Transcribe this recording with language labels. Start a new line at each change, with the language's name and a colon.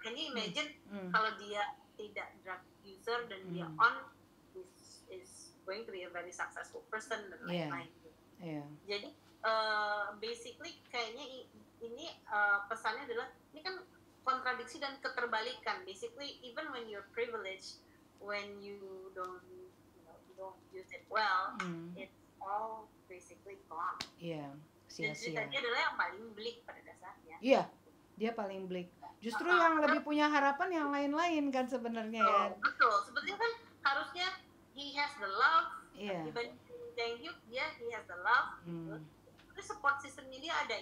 English: Can you imagine
Indonesian: kalau dia tidak
English: drug user
Indonesian: dan dia
English: on, is going to be a very successful person
Indonesian: dan lain-lain. Jadi basically kayaknya ini pesannya adalah ini kan kontradiksi dan keterbalikan.
English: Basically even when you're privileged, when you don't, you know, you don't use it well, it's all basically gone.
Indonesian: Sia-sia. Dan ceritanya adalah yang paling bleak pada dasarnya. Iya, dia paling bleak. Justru yang lebih punya harapan yang lain-lain kan sebenarnya. Betul, ya. Betul. Sebetulnya kan harusnya
English: he has the love.
Indonesian: Iya.
English: Yeah. Thank you,
Indonesian: dia
English: he has the love.
Indonesian: Terus support sistemnya dia ada.